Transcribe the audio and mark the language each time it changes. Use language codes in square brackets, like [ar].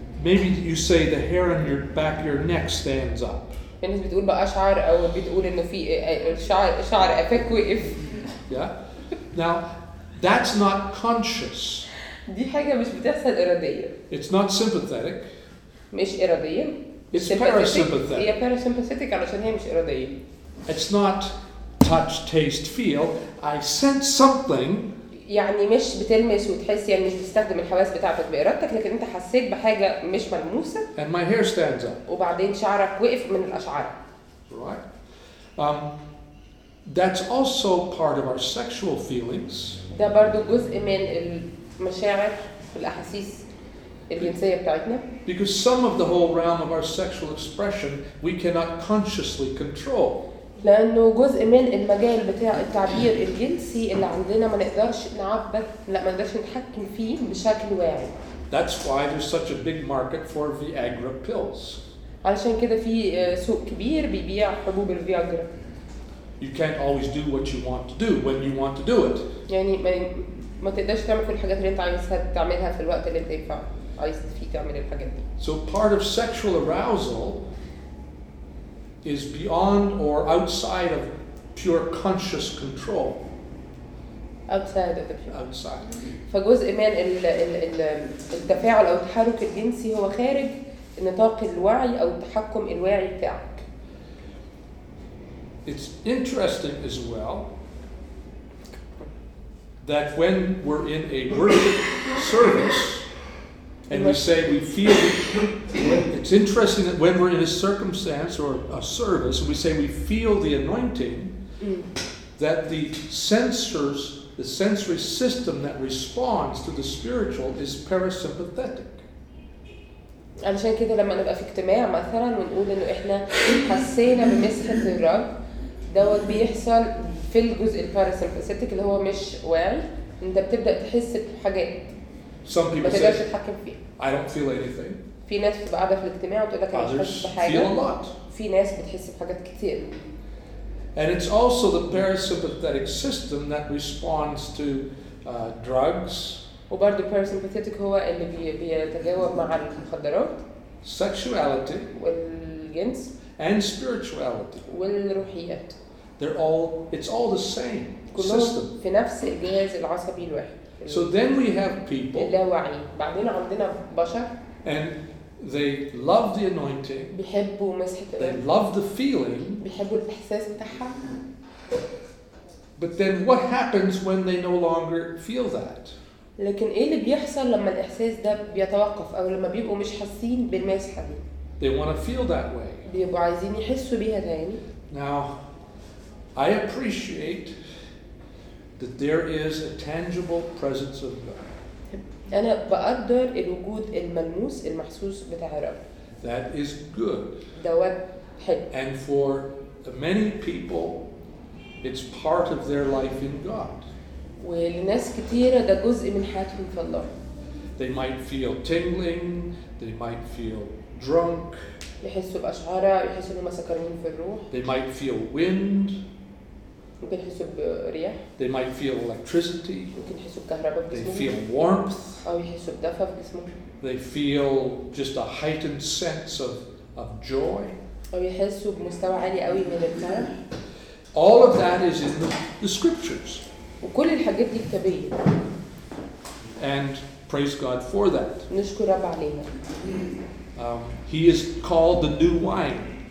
[en] Maybe you say the hair on your back, your neck stands up. [ar] الناس بتقول بقى شعر أو بتقول إنه في شعر أفك وقف. [en] Yeah. Now, that's not conscious. [ar] دي حاجة مش بتحصل إرادية. [en] It's not sympathetic. [ar] مش إرادية. [en] It's parasympathetic. [ar] هي parasympathetic علشان هي مش إرادية. [en] It's not touch, taste, feel. I sense something. [ar] يعني مش بتلمس وتحس يعني مش بتستخدم الحواس بتاعتك بإرادتك لكن انت حسيت بحاجة مش ملموسة [en] And my hair stands up. [ar] وبعدين شعرك وقف من الأشعار [en] right. That's also part of our sexual feelings. [ar] ده برضو جزء من المشاعر والأحاسيس الجنسية بتاعتنا [en] Because some of the whole realm of our sexual expression we cannot consciously control. [ar] لأنه جزء من المجال بتاع التعبير الجنسي اللي عندنا ما نقدرش نعبر لا ما نقدرش نتحكم فيه بشكل واعي. [en] That's why there's such a big market for Viagra pills. [ar] علشان كده في سوق كبير بيبيع حبوب الفياجرا. [en] You can't always do what you want to do when you want to do it. [ar] يعني ما تقدرش تعمل كل الحاجات اللي انت عايزها تعملها في الوقت اللي انت عايز فيه تعمل الحاجات دي. [en] So part of sexual arousal is beyond or outside of pure conscious control. Outside of the pure. Outside. [ar] فجزء من التفاعل أو التحرك الجنسي هو خارج نطاق الوعي أو التحكم الواعي بتاعك. [en] It's interesting as well that when we're in a worship service And we say we feel. It's interesting that when we're in a circumstance or a service, we say we feel the anointing. That the sensory system that responds to the spiritual is parasympathetic. [ar] علشان كده لما نبقى في اجتماع مثلاً ونقول إنه إحنا حسينا بمسحة الرب، دوت بيحصل في الجزء الparasympathetic اللي هو مش واعي. أنت بتبدأ تحس بحاجات. [en] Some people say. I don't feel anything. [ar] في ناس بتبقى في الاجتماع وتقول لك انا مش حاسس بحاجه. [en] Feel a lot. [ar] في ناس بتحس بحاجات كتير. [en] And it's also the parasympathetic system that responds to drugs. [ar] وبرضه parasympathetic هو اللي بيتجاوب مع المخدرات. [en] Sexuality. [ar] والجنس. [en] And spirituality. [ar] والروحيات. [en] They're all, it's all the same system. [ar] في نفس الجهاز العصبي الواحد. [en] So then we have people. [ar] اللاوعي. بعدين عندنا بشر. [en] And they love the anointing. [ar] بيحبوا مسحة الأنوية. [en] They love the feeling. [ar] بيحبوا الإحساس بتاعها. [en] But then what happens when they no longer feel that? [ar] لكن إيه اللي بيحصل لما الإحساس ده بيتوقف أو لما بيبقوا مش حاسين بالمسحة دي؟ [en] They want to feel that way. [ar] بيبقوا عايزين يحسوا بيها تاني. [en] Now, I appreciate that there is a tangible presence of God. [ar] أنا بقدر الوجود الملموس المحسوس بتاع الرب. [en] That is good. [ar] دوت حلو. [en] And for many people, it's part of their life in God. [ar] والناس كتيرة ده جزء من حياتهم في الله. [en] They might feel tingling. They might feel drunk. [ar] يحسوا بأشعارة. يحسوا إنهم سكرانين في الروح. [en] They might feel wind. [ar] ممكن يحسوا برياح. [en] They might feel electricity. [ar] ممكن يحسوا بكهرباء بجسمهم. [en] They feel warmth. [ar] أو يحسوا بدفء بجسمهم. [en] They feel just a heightened sense of joy. [ar] أو يحسوا بمستوى عالي قوي من الفرح. [en] All of that is in the scriptures. [ar] وكل الحاجات دي كتابية. [en] And praise God for that. [ar] نشكر رب عليها. [en] He is called the new wine.